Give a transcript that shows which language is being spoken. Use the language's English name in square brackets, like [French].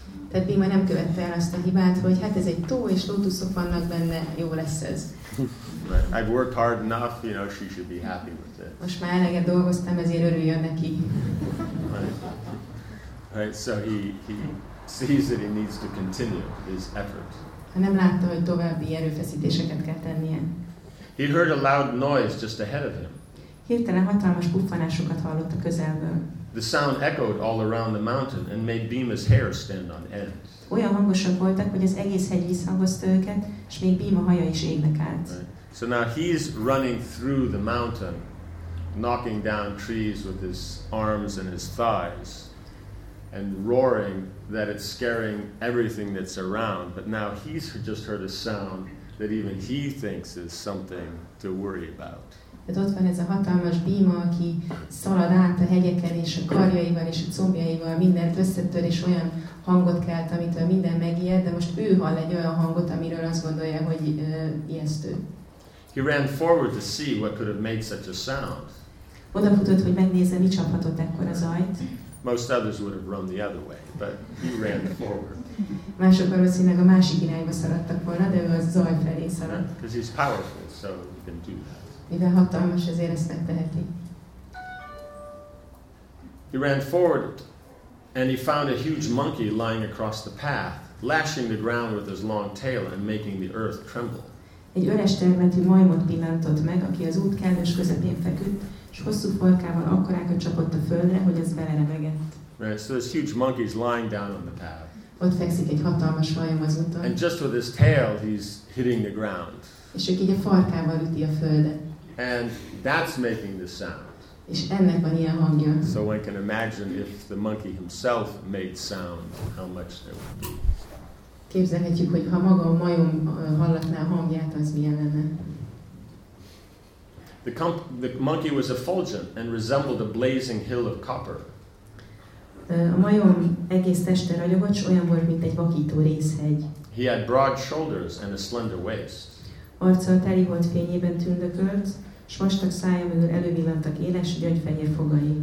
[Hungarian] Tehát Bhima nem követte el azt a hibát, hogy hát ez egy tó és lótuszok vannak benne, jó lesz ez. [English] Right. I've worked hard enough, you know, she should be happy with it. [Hungarian] Most már eleget dolgoztam, ezért örüljön neki. [English] Right, so he sees that he needs to continue his effort. [Hungarian] Nem látta, hogy további erőfeszítéseket kell tennie. [English] He heard a loud noise just ahead of him. [Hungarian] Hirtelen hatalmas puffanásokat hallott a közelből. [English] The sound echoed all around the mountain and made Bhima's hair stand on end. [Hungarian] Olyan hangosak voltak, hogy az egész hegy visszhangozta őket, és még Bhima haja is égnek állt. [English] Right. So now he's running through the mountain, knocking down trees with his arms and his thighs, and roaring that it's scaring everything that's around, but now he's just heard a sound that even he thinks is something to worry about. [Hungarian] Tehát ott van ez a hatalmas Bhima, aki szalad át a hegyeken és a karjaival és a combjaival mindent összetör, és olyan hangot kelt, amitől minden megijed, de most ő hall egy olyan hangot, amiről azt gondolja, hogy ijesztő. [English] He ran forward to see what could have made such a sound. [Hungarian] Odafutott, hogy megnézze, mi csaphatott ekkora zajt. [English] Most others would have run the other way, but he ran forward. [Hungarian] Mások valószínűleg a másik irányba szaladtak volna, de ő a zaj felé szaladt. [English] Because he's powerful, so he can do that. [Hungarian] Mivel hatalmas, ezért ezt megteheti. [English] He ran forward, and he found a huge monkey lying across the path, lashing the ground with his long tail and making the earth tremble. [Hungarian] Egy öres termetű majmot pillantott meg, aki az út kellős közepén feküdt, és hosszú farkával akkorákat csapott a földre, hogy ez belerebegett. [English] Right, so this huge monkey's lying down on the path. [Hungarian] Ott fekszik egy hatalmas vajon az úton. [English] And just with his tail, he's hitting the ground. [Hungarian] És csak így a farkával üti a földet. [English] And that's making the sound. [Hungarian] És ennek van ilyen hangja. [English] So one can imagine if the monkey himself made sound, how much there would be. [Hungarian] Képzelhetjük, hogy ha maga a majom hallatná a hangját, az milyen lenne. [English] The monkey was effulgent and resembled a blazing hill of copper. [Hungarian] A majom egész teste ragyogott, olyan volt, mint egy vakító részhegy. [English] He had broad shoulders and a slender waist. [Hungarian] Arca teli volt fényében tündökölt, s vastag szája mögül elővillantak éles gyöngyfehér fogai.